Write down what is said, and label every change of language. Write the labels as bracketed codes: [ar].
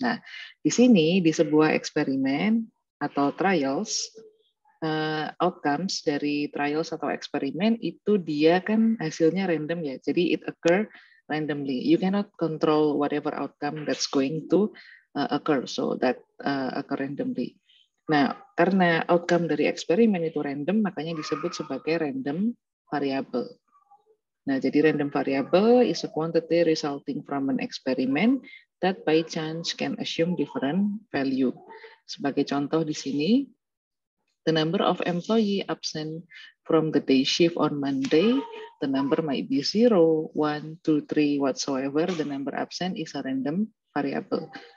[id] Nah, di sini di sebuah eksperimen atau trials, outcomes dari trials atau eksperimen itu dia kan hasilnya random ya, jadi [en] it occur randomly. You cannot control whatever outcome that's going to occur, so that occur randomly. [id] Nah, karena outcome dari eksperimen itu random, makanya disebut sebagai random variable. Nah, jadi [en] random variable is a quantity resulting from an experiment that by chance can assume different value. [id] Sebagai contoh di sini, [en] the number of employee absent from the day shift on Monday, the number might be 0, 1, 2, 3, whatsoever, the number absent is a random variable.